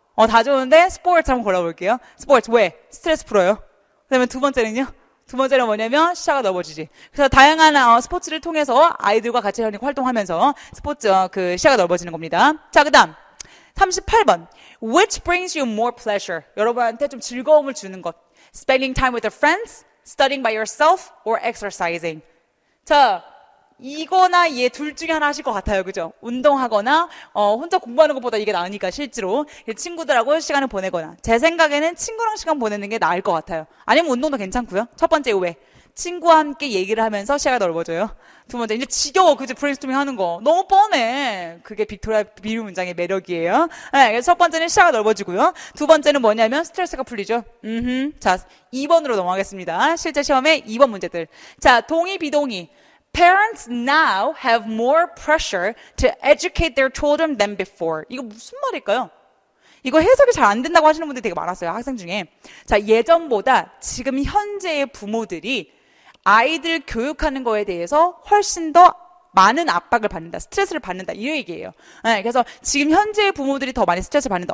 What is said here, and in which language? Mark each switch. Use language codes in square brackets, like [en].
[ko] 다 좋은데 스포츠 한번 골라볼게요. 스포츠 왜? 스트레스 풀어요. 그러면 두 번째는요? 두 번째는 뭐냐면 시야가 넓어지지. 그래서 다양한 스포츠를 통해서 아이들과 같이 활동하면서 스포츠 그 시야가 넓어지는 겁니다. 자, 그다음 38번. [en] Which brings you more pleasure? [ko] 여러분한테 좀 즐거움을 주는 것. [en] Spending time with your friends, studying by yourself, or exercising. [ko] 자, 이거나 얘둘 중에 하나 하실 것 같아요. 그죠? 운동하거나, 혼자 공부하는 것보다 이게 나으니까, 실제로. 친구들하고 시간을 보내거나. 제 생각에는 친구랑 시간 보내는 게 나을 것 같아요. 아니면 운동도 괜찮고요. 첫 번째, 왜? 친구와 함께 얘기를 하면서 시야가 넓어져요. 두 번째, 이제 지겨워. 그지? 브레인스토밍 하는 거. 너무 뻔해. 그게 빅토리아 비밀 문장의 매력이에요. 네, 그래서 첫 번째는 시야가 넓어지고요. 두 번째는 뭐냐면 스트레스가 풀리죠. 자, 2번으로 넘어가겠습니다. 실제 시험에 2번 문제들. 자, 동의, 비동의. [en] Parents now have more pressure to educate their children than before. [ko] 이거 무슨 말일까요? 이거 해석이 잘안 된다고 하시는 분들이 되게 많았어요. 학생 중에. 자, 예전보다 지금 현재의 부모들이 아이들 교육하는 거에 대해서 훨씬 더 많은 압박을 받는다, 스트레스를 받는다, 이 얘기예요. 네, 그래서 지금 현재의 부모들이 더 많이 스트레스를 받는다.